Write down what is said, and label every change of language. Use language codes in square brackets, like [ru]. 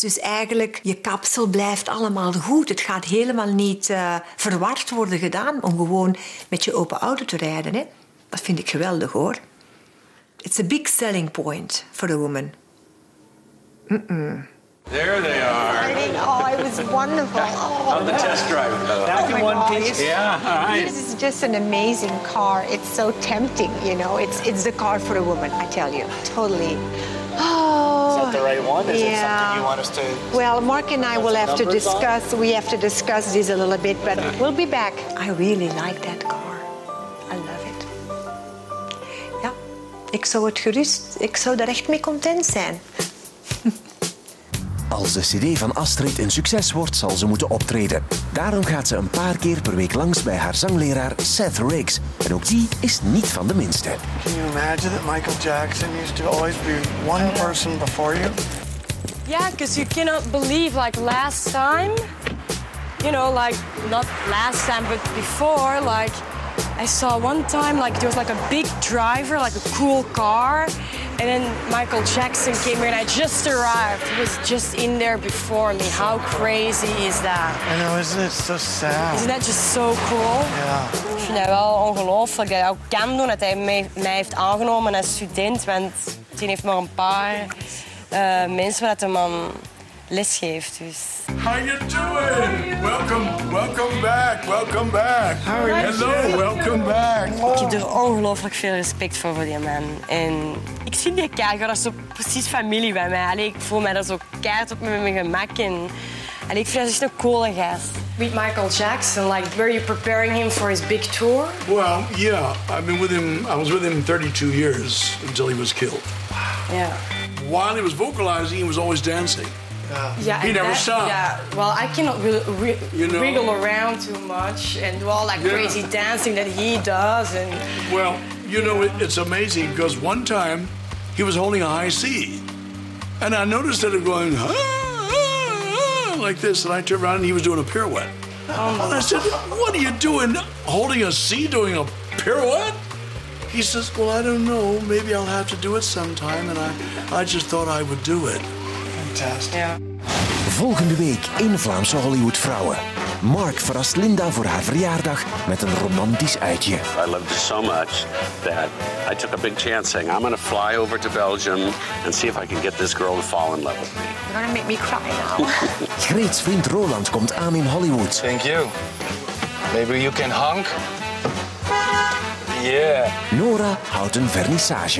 [nl] Dus eigenlijk, je kapsel blijft allemaal goed. Het gaat helemaal niet verward worden gedaan om gewoon met je open auto te rijden. Hè? Dat vind ik geweldig, hoor. [en] It's a big selling point for a woman. Mm-mm. There they are. I mean, oh, it was wonderful. On the test drive. Back in one piece. Yeah, all right. This is just an amazing car. It's so tempting, you know. It's the car for a woman, I tell you. Totally. Is that the right one? Is it something you want us to... Well, Mark and I will have to discuss. We have to discuss this a little bit, but we'll be back. I really like that car. I love it. [nl] Ja, ik zou het gerust... Ik zou daar echt mee content zijn. Als de cd van Astrid een succes wordt, zal ze moeten optreden. Daarom gaat ze een paar keer per week langs bij haar zangleraar Seth Riggs. En ook die is niet van de minste. [en] Can you imagine that Michael Jackson used to always be one person before you? Yeah, because you cannot believe, like, last time. You know, like, not last time, but before, like... I saw one time, like, there was, like, a big driver, like, a cool car. And then Michael Jackson came here, and I just arrived. He was just in there before me. How crazy is that? I know, isn't it so sad? Isn't that just so cool? Yeah. [nl] Ik vind dat wel ongelooflijk dat hij ook kan doen, dat hij mij heeft aangenomen als student. Want hij heeft maar een paar mensen waar hij man lesgeeft, dus... [en] How you doing? Welcome back. How are you? Hello, welcome back. [nl] Ik heb er ongelooflijk veel respect voor die man. En ik zie die keihard, dat is zo precies familie bij mij. Allee, ik voel mij daar zo keihard op met mijn gemak. En ik vind dat echt een coole gast. [en] Meet Michael Jackson, like, were you preparing him for his big tour? Well, yeah. I've been with him, I was with him 32 years until he was killed. Wow. Yeah. While he was vocalizing, he was always dancing. Yeah, he never stopped. Yeah, well, I cannot wriggle around too much and do all that crazy dancing that he does. And well, you know, it's amazing because one time he was holding a high C, and I noticed that he was going like this, and I turned around and he was doing a pirouette. Oh, and I said, "What are you doing, holding a C, doing a pirouette?" He says, "Well, I don't know. Maybe I'll have to do it sometime, and I just thought I would do it." [nl] Ja. Volgende week in Vlaamse Hollywoodvrouwen. Mark verrast Linda voor haar verjaardag met een romantisch uitje. [en] I loved her so much that I took a big chance saying I'm gonna fly over to Belgium and see if I can get this girl to fall in love with me. You're gonna make me cry now. [nl] Greet's vriend Roland komt aan in Hollywood. [en] Thank you. Maybe you can honk. Yeah. [nl] Nora houdt een vernissage.